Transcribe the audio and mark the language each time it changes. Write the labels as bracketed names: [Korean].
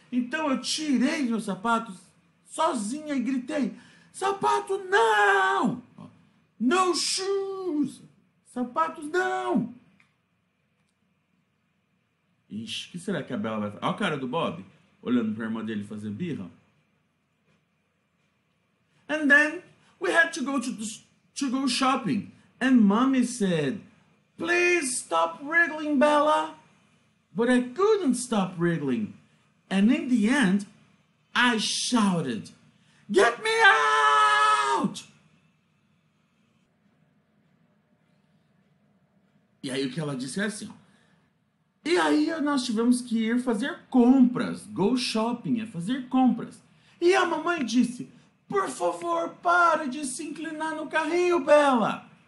[Portuguese] Então eu tirei os meus sapatos sozinha e gritei: sapato não! [English] No shoes! [Portuguese] Sapatos não! Ixi, o que será que a Bela vai fazer? Olha a cara do Bob, olhando para a irmã dele fazer birra. [English] And then we had to go to go shopping. And mommy said, please stop wriggling, Bella. But I couldn't stop wriggling. And in the end, I shouted, get me out! [Portuguese] E aí o que ela disse é assim, ó. E aí nós tivemos que ir fazer compras, [English] go shopping, [Portuguese] é fazer compras. E a mamãe disse, por favor, pare de se inclinar no carrinho, Bella.